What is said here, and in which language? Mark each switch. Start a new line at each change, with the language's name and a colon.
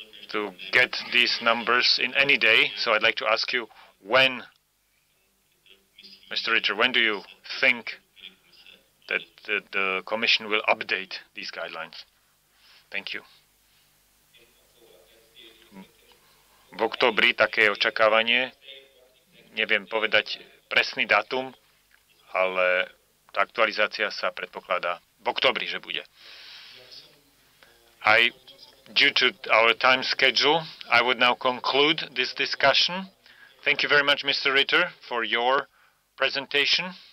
English: to get these numbers in any day, so I'd like to ask you, when, Mr. Ritter, when do you think that the Commission will update these guidelines? Thank you.
Slovak: V októbri také očakávanie, neviem povedať presný dátum, ale tá aktualizácia sa predpokladá v októbri, že bude.
English: I, due to our time schedule, I would now conclude this discussion. Thank you very much, Mr. Ritter, for your presentation.